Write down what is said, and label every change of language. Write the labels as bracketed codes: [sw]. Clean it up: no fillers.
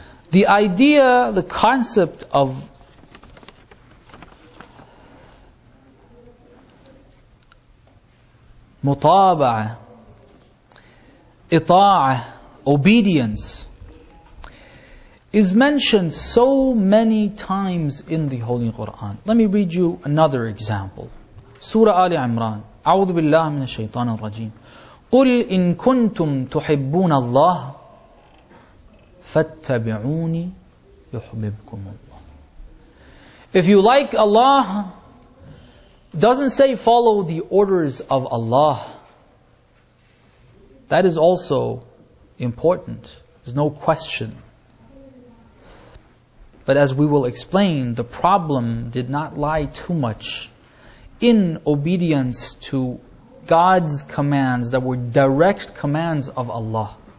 [en] The idea, the concept of mutaba'ah, ita'ah, obedience, is mentioned so many times in the Holy Quran. Let me read you another example. Surah Ali Imran. [ar] أعوذ بالله من الشيطان الرجيم قل إن كنتم تحبون الله فاتبعوني يحببكم الله. [en] If you like Allah, doesn't say follow the orders of Allah. That is also important. There's no question. But as we will explain, the problem did not lie too much in obedience to God's commands that were direct commands of Allah.